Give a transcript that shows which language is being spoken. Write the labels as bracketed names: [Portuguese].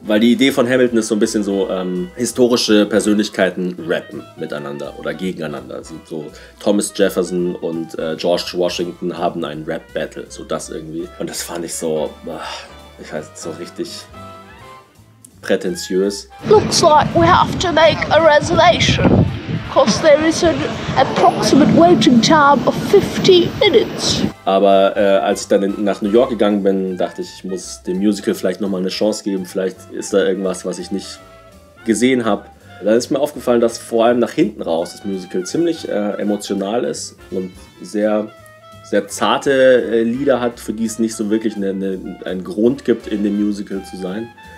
[German] Weil die Idee von Hamilton ist so ein bisschen so, historische Persönlichkeiten rappen miteinander oder gegeneinander. Also so Thomas Jefferson und George Washington haben einen Rap-Battle. So das irgendwie. Und das fand ich so, ich weiß, so richtig prätentiös. [English] Looks like we have to make a reservation, because there is an approximate waiting time of 50 minutes. [German] Aber als ich dann nach New York gegangen bin, dachte ich, ich muss dem Musical vielleicht nochmal eine Chance geben. Vielleicht ist da irgendwas, was ich nicht gesehen habe. Dann ist mir aufgefallen, dass vor allem nach hinten raus das Musical ziemlich emotional ist und sehr, sehr zarte Lieder hat, für die es nicht so wirklich einen Grund gibt, in dem Musical zu sein.